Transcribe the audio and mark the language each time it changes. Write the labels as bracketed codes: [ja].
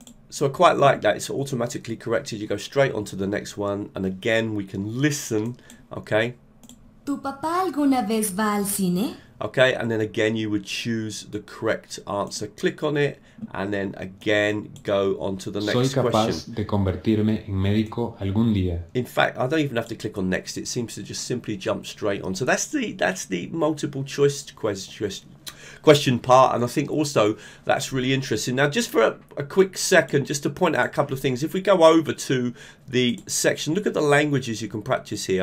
[en] So I quite like that. It's automatically corrected. You go straight on to the next one, and again, we can listen, okay? [es] ¿Tu papá alguna vez va al cine? [en] Okay, and then again, you would choose the correct answer. Click on it, and then again, go on to the next question. [es] Soy capaz de convertirme en médico algún día. [en] In fact, I don't even have to click on next. It seems to just simply jump straight on. So that's the multiple choice question. question part, and I think also that's really interesting. Now, just for a quick second, just to point out a couple of things, if we go over to the section, look at the languages you can practice here.